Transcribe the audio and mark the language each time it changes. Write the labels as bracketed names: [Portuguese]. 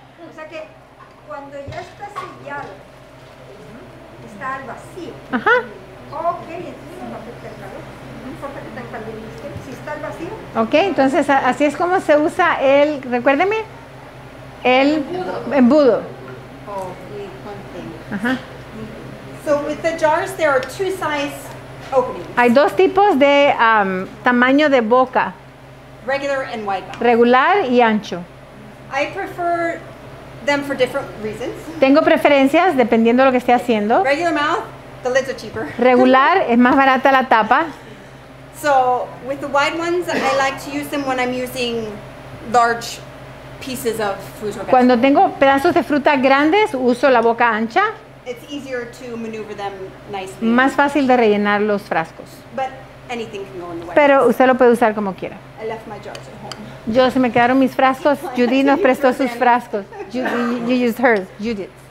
[Spanish] O sea que cuando ya está sellado, está al vacío. Ajá. Ok, entonces no afecta el calor. No importa que tan caliente esté. Si está al vacío. Ok, entonces así es como se usa el, recuérdeme, el embudo. Oh, el [English] container. Ajá. So with the jars, there are two sizes. [Spanish] Hay dos tipos de tamaño de boca. [English] Regular and wide. [Spanish] Regular y ancho. [English] I prefer them for different reasons. [Spanish] Tengo preferencias dependiendo de lo que esté haciendo. [English] Regular mouth, the lids are cheaper. [Spanish] Regular es más barata la tapa. [English] So with the wide ones, I like to use them when I'm using large pieces of fruit. [Spanish] Cuando tengo pedazos de fruta grandes, uso la boca ancha. [English] It's easier to maneuver them nicely. [Spanish] Más fácil de rellenar los frascos. [English] But anything can go in the way. [Spanish] Pero usted lo puede usar como quiera. [English] I left my jars at home. [Spanish] Yo se me quedaron mis frascos. Judy nos prestó sus frascos. [English] You used hers, Judith.